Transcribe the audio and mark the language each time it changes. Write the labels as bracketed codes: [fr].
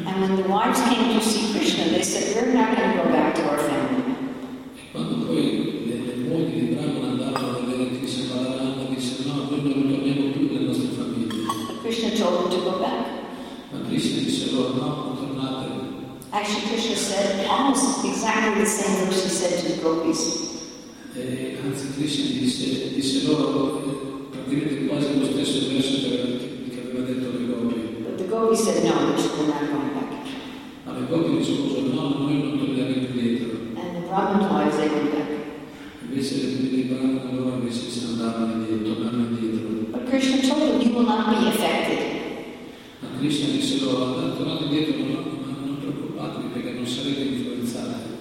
[en] And when the wives came to see Krishna, they said, "We're not going to go back to our family." [it] Quando poi le mogli di Brahmana andavano a vedere Krishna Balarama, disse, "No, noi non torniamo più nella nostra famiglia." [en] Krishna told them to go back. [it] Ma Krishna disse loro, "No, non tornate." [en] Actually, Krishna said almost exactly the same verse he said to the gopis. [it] E anzi, Krishna disse loro praticamente quasi lo stesso verso che aveva detto le gopi. [en] But the gopis said, "No, we're not going back." [it] Le gopi rispondono, no, noi non torniamo indietro. [en] And the Brahman wives, they went back. [it] Invece le famiglie Brahman loro invece si andavano indietro, tornavano indietro. [en] But Krishna told them, you will not be affected. [it] Ma Krishna disse loro, tornate indietro, non preoccupatevi perché non sarete influenzati.